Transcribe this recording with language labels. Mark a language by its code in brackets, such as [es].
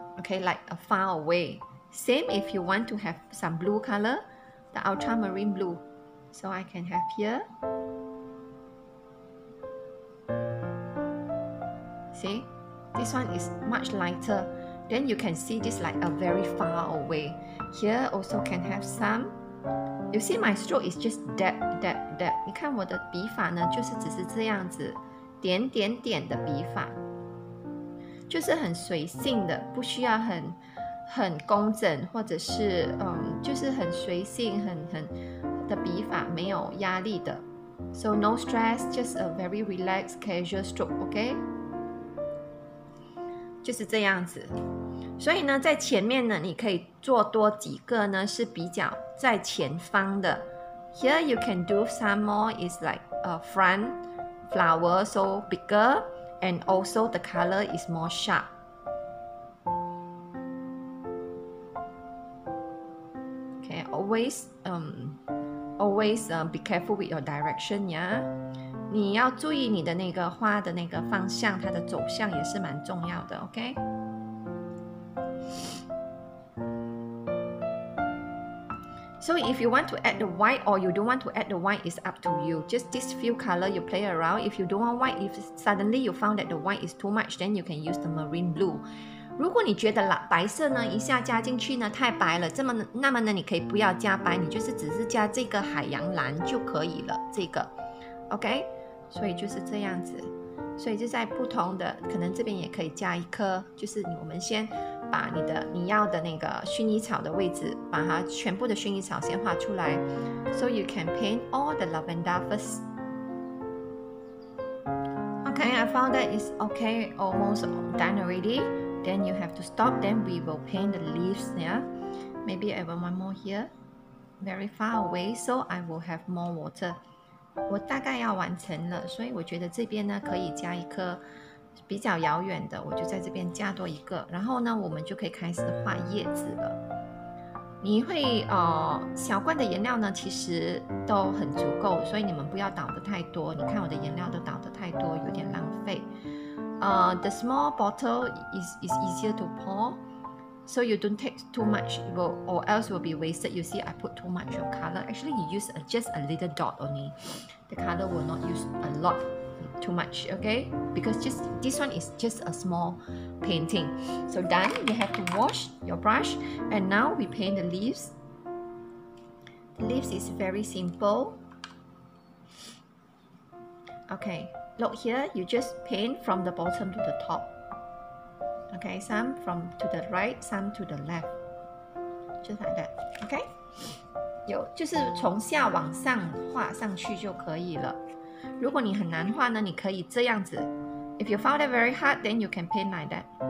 [en] Okay, like a far away. Same if you want to have some blue color, the ultramarine blue. So I can have here. See, this one is much lighter. Then you can see this like a very far away. Here also can have some. You see my stroke is just dab. [zh] 你看我的笔法呢，就是只是这样子，点点点的笔法，就是很随性的，不需要很工整，或者是就是很随性，很的笔法，没有压力的。 [en] So no stress, just a very relaxed, casual stroke, okay? [zh] 就是这样子。所以呢，在前面呢，你可以做多几个呢，是比较在前方的。 [en] Here you can do some more, is like a front flower, so bigger, and also the color is more sharp. Always, be careful with your direction, yeah. [zh] 你要注意你的那个花的那个方向，它的走向也是蛮重要的 ，okay? [en] So if you want to add the white or you don't want to add the white, it's up to you. Just this few color you play around. If you don't want white, if suddenly you found that the white is too much, then you can use the marine blue. [zh] 如果你觉得白色呢一下加进去呢太白了，那么呢你可以不要加白，你就是只是加这个海洋蓝就可以了，这个 OK。所以就是这样子，所以就在不同的，可能这边也可以加一颗，就是我们先把你要的那个薰衣草的位置，把它全部的薰衣草先画出来。 [en] So you can paint all the lavender firstOkay, I found that it's okay, almost done already. Then you have to stop, then we will paint the leaves, yeah? Maybe I want one more here. Very far away, so I will have more water. [zh] 我大概要完成了，所以我觉得这边呢可以加一颗比较遥远的，我就在这边加多一个，然后呢我们就可以开始画叶子了。你会小罐的颜料呢其实都很足够，所以你们不要倒得太多，你看我的颜料都倒得太多，有点浪费。 [en] The small bottle is easier to pour, so you don't take too much, or else will be wasted. You see, I put too much of color. Actually, you use just a little dot only. The color will not use a lot, too much, okay? Because just this one is just a small painting. So done, you have to wash your brush, and now we paint the leaves. The leaves is very simple. Okay. Look here, you just paint from the bottom to the top. Okay, some from to the right, some to the left. Just like that, okay? [zh] 有，就是从下往上画上去就可以了。如果你很难画呢，你可以这样子。 [en] If you found it very hard, then you can paint like that.